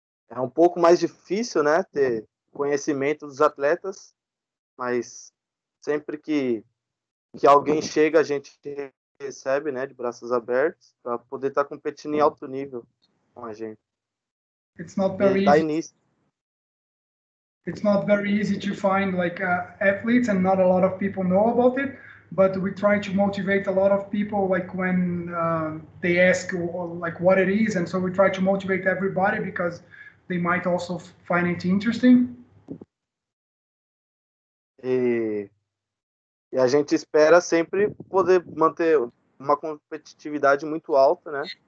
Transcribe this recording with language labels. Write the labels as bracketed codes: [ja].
[pt] é um pouco mais difícil, né, ter conhecimento dos atletas, mas sempre que alguém chega, a gente recebe, né, de braços abertos para poder estar competindo em alto nível com a gente. [en] It's not very easy. It's not very easy to find like athletes, and not a lot of people know about it. But we try to motivate a lot of people, like when they ask like what it is, and so we try to motivate everybody because they might also find it interesting. [pt] E a gente espera sempre poder manter uma competitividade muito alta, né?